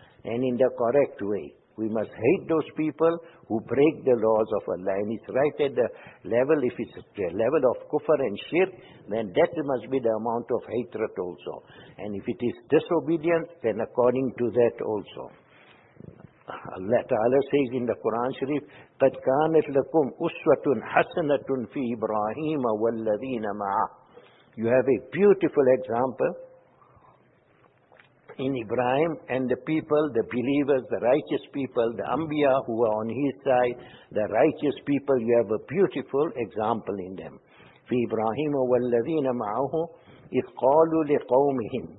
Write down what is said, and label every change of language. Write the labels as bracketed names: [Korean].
[English] And in the correct way. We must hate those people who break the laws of Allah. And it's right at the level, if it's the level of kufr and shirk, then that must be the amount of hatred also. And if it is disobedience, then according to that also. Allah Ta'ala says in the Quran Sharif, [Arabic] قَدْ كَانَتْ لَكُمْ أُسْوَةٌ حَسَنَةٌ فِي إِبْرَاهِيمَ وَالَّذِينَ مَعَهُ. [English] You have a beautiful example in Ibrahim and the people, the believers, the righteous people, the Anbiya who are on his side, the righteous people, you have a beautiful example in them. [Arabic] فِي إِبْرَاهِيمَ وَالَّذِينَ مَعَهُ إِذْ قَالُوا لِقَوْمِهِمْ.